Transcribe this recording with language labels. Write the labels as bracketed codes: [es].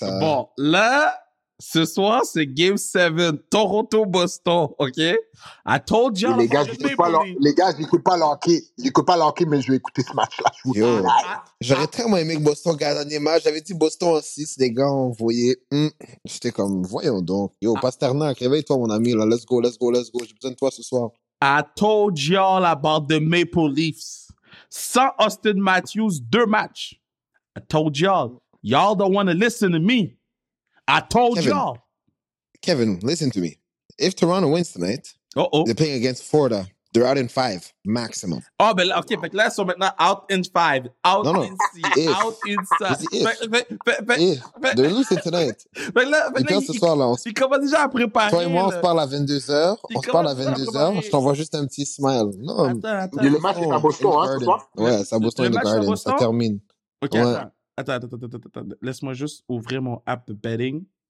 [fr] Bon, là, ce soir, c'est Game 7, Toronto-Boston, OK? [en] I told you. [fr] Les gars, j'écoute pas l'hockey. J'écoute pas l'hockey, mais je vais écouter ce match-là. J'aurais tellement aimé que Boston gagne un match. J'avais dit Boston en 6, les gars, on voyait. J'étais comme, voyons donc. Yo, Pasternak, réveille-toi, mon ami. Là. [en] Let's go. [fr] J'ai besoin de toi ce soir. [en] I told y'all about the Maple Leafs. [fr] Sans Austin Matthews, 2 matchs. [en] I told y'all. Y'all don't want to listen to me. Kevin, listen to me. If Toronto wins tonight, they're playing against Florida. They're out in 5, maximum. Oh, but okay, but let's so maintenant out in 5. Out no, no. in C. If. Out in C. They're losing tonight. [fr] Mais là, il commence déjà à préparer. Toi et moi, on se parle à 22h. On se parle à 22h. Je t'envoie juste un petit smile. Non, attends. Il y a le match à Boston, hein, ce soir? Ouais, c'est à Boston [en] in the Garden. [fr] Ça termine. Ok, attends. Attends, laisse-moi juste ouvrir mon app de betting.